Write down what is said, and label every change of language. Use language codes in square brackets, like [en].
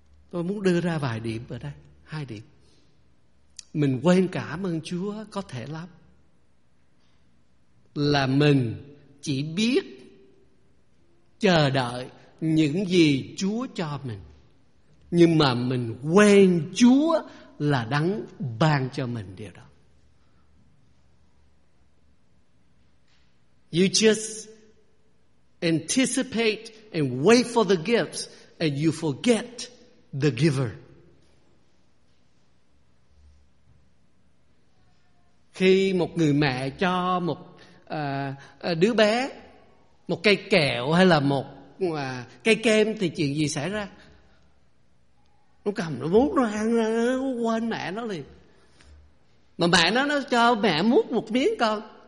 [vi] Tôi muốn đưa ra vài điểm ở đây, hai điểm. Mình quên cảm ơn Chúa có thể lắm là mình chỉ biết chờ đợi những gì Chúa cho mình, nhưng mà mình quên Chúa là đấng ban cho mình điều đó. [en] You just anticipate and wait for the gifts and you forget the giver. [vi] Khi một người mẹ cho một đứa bé một cây kẹo hay là một cây kem thì chuyện gì xảy ra? Nó cầm nó muốn nó ăn, nó quên mẹ nó liền. Mà mẹ nó cho mẹ múc một miếng con.